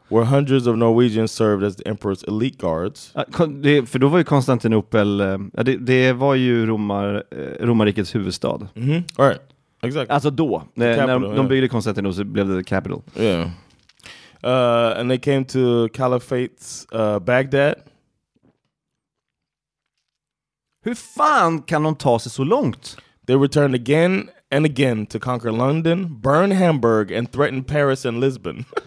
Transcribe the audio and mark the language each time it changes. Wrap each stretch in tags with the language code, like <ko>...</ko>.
<en>Where hundreds of Norwegians served as the emperor's elite guards.</en> <sv>För då var ju Konstantinopel, det var ju romarrikets huvudstad.</sv> <en>Mm-hmm. All right, exactly.</en> <sv>Alltså då, när de byggde Konstantinopel så blev det</sv> <en>the capital. Yeah. And they came to Caliphate's Baghdad.</en> <sv>Hur fan kan de ta sig så långt?</sv> <en>They returned again and again to conquer London, burn Hamburg and threaten Paris and Lisbon.</en>